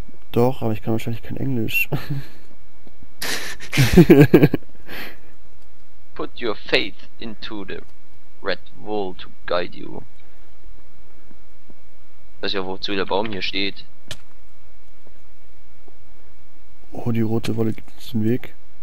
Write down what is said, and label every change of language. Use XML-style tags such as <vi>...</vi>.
<de>Doch, aber ich kann wahrscheinlich kein Englisch.</de> <en>Put your faith into the red wall to guide you.</en> <de>Weiß ja, wozu der Baum hier steht. Oh, die rote Wolle gibt uns den Weg.</de>